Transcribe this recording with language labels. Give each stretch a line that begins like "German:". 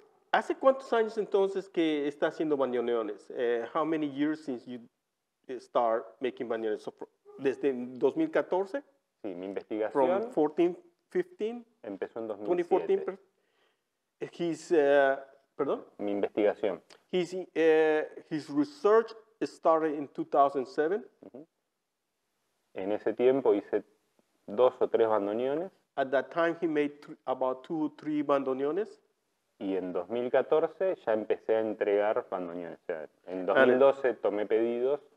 Spanish: ¿Hace cuántos años entonces que está haciendo bandoneones?
English: How many years since you start making bandoneones?
Spanish: So, ¿desde 2014? Sí, mi investigación.
English: From 14, 15?
Spanish: Empezó en 2014.
English: His, perdón?
Spanish: Mi investigación.
English: His research started in 2007. Uh-huh.
Spanish: En ese tiempo hice dos o tres bandoneones.
English: At that time he made about two or three bandoneones.
Spanish: Y en 2014 ya empecé a entregar bandoneones. O sea, en 2012 tomé pedidos.